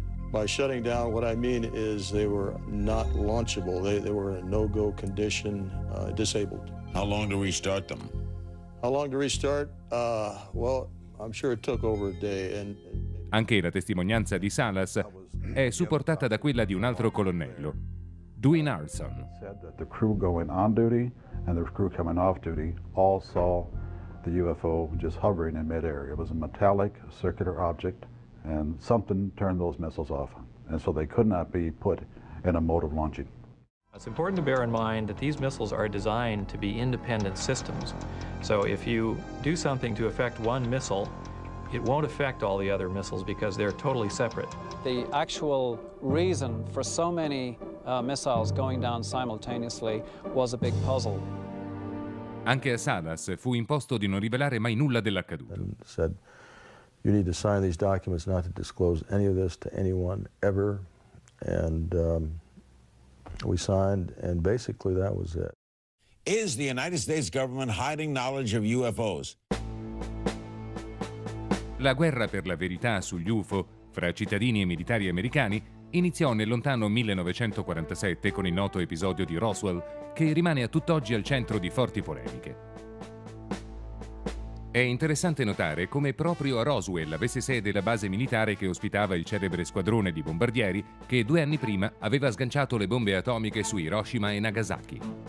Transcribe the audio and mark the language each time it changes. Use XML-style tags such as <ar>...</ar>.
<en>By shutting down, what I mean is they were not launchable. They were in no-go condition, disabled. How long to restart them? How long to restart? Well, I'm sure it took over a day. And</en> <it>anche la testimonianza di Salas è supportata da quella di un altro colonnello, Dwayne Arson.</it> <en>Said that the crew going on duty and the crew coming off duty all saw the UFO just hovering in midair. It was a metallic circular object. And something turned those missiles off, and so they could not be put in a mode of launching. It's important to bear in mind that these missiles are designed to be independent systems. So if you do something to affect one missile, it won't affect all the other missiles because they're totally separate. The actual reason for so many missiles going down simultaneously was a big puzzle.</en> <it>Anche a Salas fu imposto di non rivelare mai nulla dell'accaduto.</it> <en>You need to sign these documents not to disclose any of this to anyone ever. And we signed, and basically that was it. Is the United States government hiding knowledge of UFOs?</en> <it>La guerra per la verità sugli UFO fra cittadini e militari americani iniziò nel lontano 1947 con il noto episodio di Roswell, che rimane a tutt'oggi al centro di forti polemiche. È interessante notare come proprio a Roswell avesse sede la base militare che ospitava il celebre squadrone di bombardieri che due anni prima aveva sganciato le bombe atomiche su Hiroshima e Nagasaki.</it>